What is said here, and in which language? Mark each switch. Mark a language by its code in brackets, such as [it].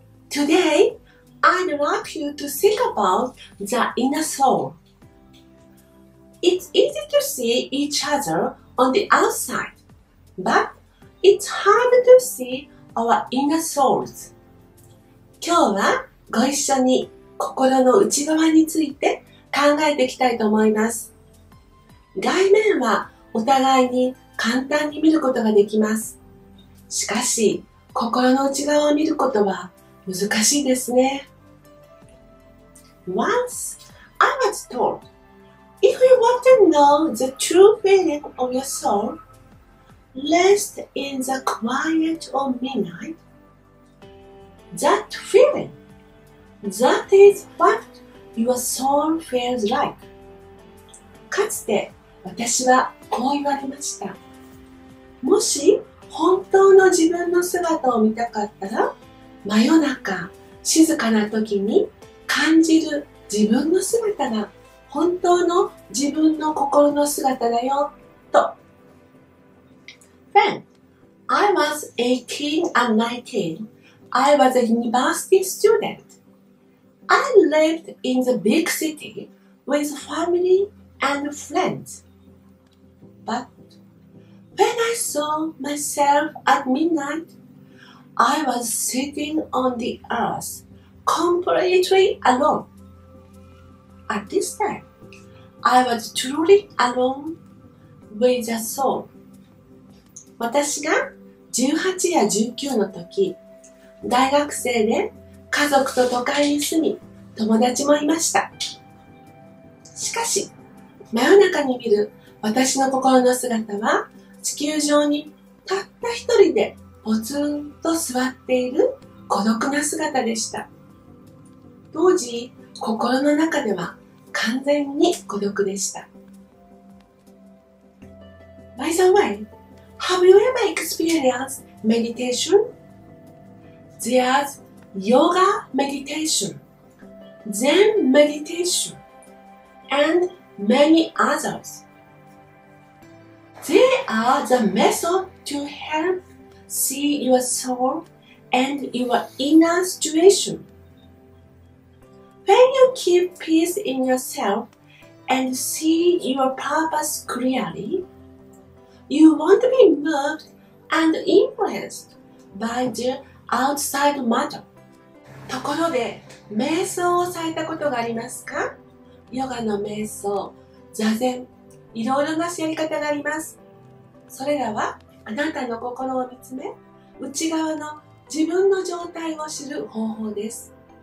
[en] Today, I'd like you to think about the inner soul. It's easy to see each other on the outside, but it's hard to see our inner souls. [ja] 今日はご一緒に心の内側について考えていきたいと思います。外面はお互いに簡単に見ることができます。しかし、心の内側を見ることは難しいですね。 [en] Once I was told, if you want to know the true feeling of your soul, rest in the quiet of midnight. That feeling, that is what your soul feels like. [ja] かつて私はこう言われました。もし本当の自分の姿を見たかったら、真夜中、静かな時に感じる自分の姿が本当の自分の心の姿だよ、と。 [en] Friend, I was 18 and 19. I was a university student. I lived in the big city with family and friends. But when I saw myself at midnight, I was sitting on the earth, completely alone. At this time, I was truly alone with a soul. [ja] 私が18や19の時、大学生で家族と都会に住み、友達もいました。しかし、真夜中に見る私の心の姿は地球上にたった一人でポツンと座っている孤独な姿でした。当時、心の中では完全に孤独でした。 [en] By the way, have you ever experienced meditation? There's yoga meditation, Zen meditation, and many others. They are the method to help see your soul and your inner situation. When you keep peace in yourself and see your purpose clearly, you won't be moved and influenced by the outside matter. [ja] ところで、瞑想をされたことがありますか？ヨガの瞑想、座禅、いろいろなやり方があります。それらはあなたの心を見つめ、内側の自分の状態を知る方法です。